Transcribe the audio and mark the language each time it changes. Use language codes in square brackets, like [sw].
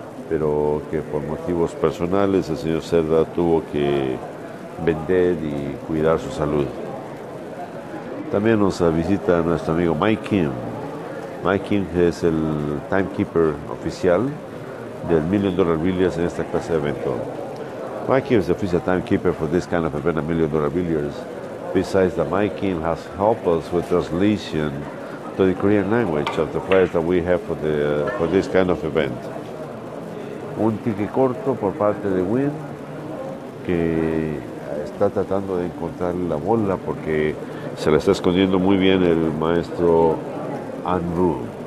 [es] pero que por motivos personales el señor Cerda tuvo que vender y cuidar su salud. También nos visita nuestro amigo Mike Kim. Mike Kim es el timekeeper oficial del Million Dollar Billiards en esta clase de evento. [en] Mike Kim is the official timekeeper for this kind of event, Million Dollar Billiards. Besides that, Mike Kim has helped us with translation to the Korean language of the flyers that we have for the for this kind of event. [es] Un ticket corto por parte de Wynn, que está tratando de encontrar la bola porque se la está escondiendo muy bien el maestro Andrew.